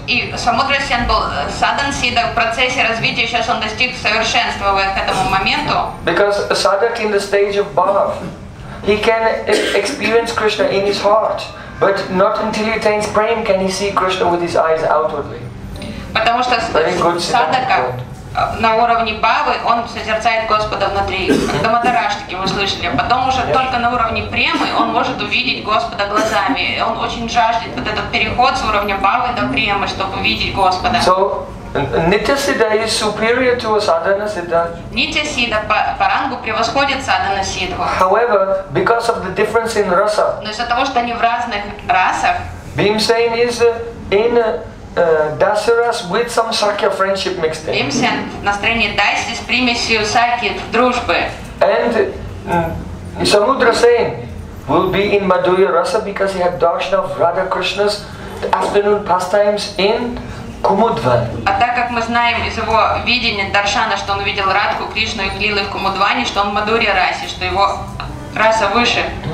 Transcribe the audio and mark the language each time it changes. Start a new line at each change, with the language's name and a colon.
Russian: И Samudrasen был sadhan Siddha в процессе развития, сейчас он достиг совершенства к этому моменту.
English: Because a sadhak in the stage of bhav, he can experience Krishna in his heart, but not until he attains prema can he see Krishna with his eyes outwardly.
Russian: Потому что садхака на уровне бхавы он созерцает Господа внутри. Дамодараштхи мы слышали. Потом уже только на уровне премы он может увидеть Господа глазами. Он очень жаждет вот этот переход с уровня бхавы до премы, чтобы увидеть Господа.
English: Nitya Siddha is superior to a sadhana siddha.
Russian: Nitya Siddha по рангу превосходит sadhana siddha.
English: However, because of the difference in rasa.
Russian: Но из-за того, что они в разных расах.
English: Bhimsen is in dasaras with some sakya friendship mixed in.
Russian: Bhimsen настроение даси с примесью сакьи дружбы.
English: And Samudrasen will be in madhurya rasa because he had darshan of Radha Krishna's afternoon pastimes in Кумудван.
Russian: А так как мы знаем из его видения Даршана, что он видел Радху, Кришну и Лилы в Кумудване, что он Мадурья Раси, что его раса выше.